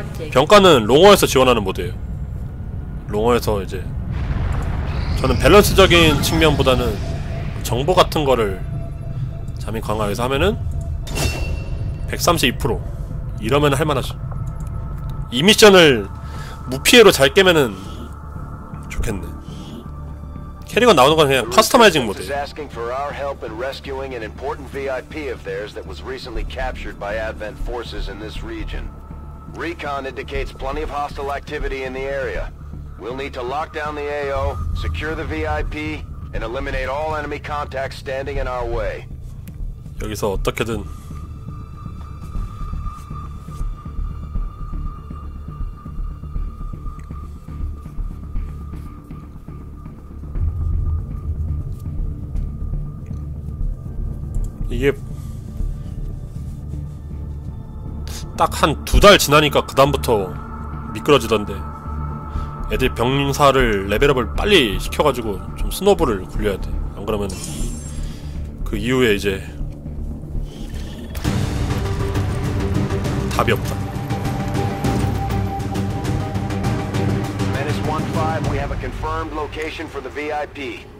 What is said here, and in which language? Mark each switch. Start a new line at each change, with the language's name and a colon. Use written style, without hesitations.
Korean: 병과는 롱어에서 지원하는 모드예요. 롱어에서 이제 저는 밸런스적인 측면보다는 정보 같은 거를 자민 강화해서 하면은 132% 이러면 할만하죠. 이 미션을 무피해로 잘 깨면은 좋겠네. 캐릭터 나오는 건 그냥 커스터마이징 모드.
English: Is asking for our help in rescuing an important VIP of theirs that was recently captured by Advent forces in this region. Recon indicates plenty of hostile activity in the area. We'll need to lock down the AO, secure the VIP and eliminate all enemy contacts standing in our way.
Korean: 여기서 어떻게든 이게 딱 한 두 달 지나니까 그 다음부터 미끄러지던데. 애들 병사를 레벨업을 빨리 시켜가지고 좀 스노우볼을 굴려야 돼. 안 그러면 그 이후에 이제 답이 없다.
English: Menace 15, we have a confirmed location for the VIP.